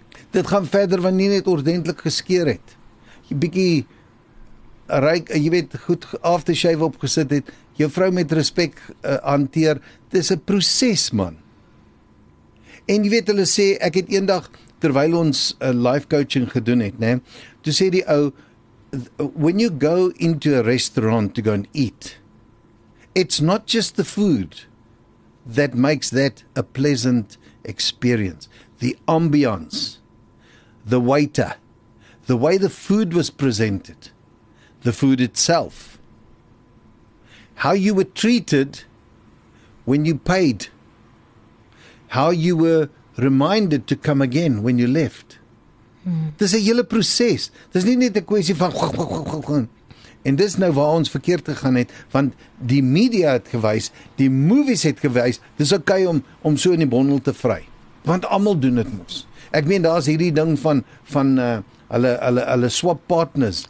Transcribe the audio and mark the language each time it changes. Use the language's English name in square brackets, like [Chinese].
[Afrikaans] Dit gaan verder wanneer jy net ordentlik geskeer het. Jy bietjie ryk, jy weet, goed aftershave opgesit het, jou vrou met respek hanteer. Dis 'n proses, man. En jy weet, hulle sê, ek het eendag terwyl ons life coaching gedoen het, nê, toe sê die ou, [English] when you go into a restaurant to go and eat, it's not just the food that makes that a pleasant experience. The ambiance, the waiter, the way the food was presented, the food itself, how you were treated when you paid, how you were reminded to come again when you left. [Afrikaans] Dis 'n hele proses. Dis nie net 'n kwessie van en dis nou waar ons verkeerd gegaan het, want die media het gewys, die movies het gewys, dis okay om so in die bondel te vry. Want almal doen dit mos. Ek meen daar's hierdie ding van hulle swap partners.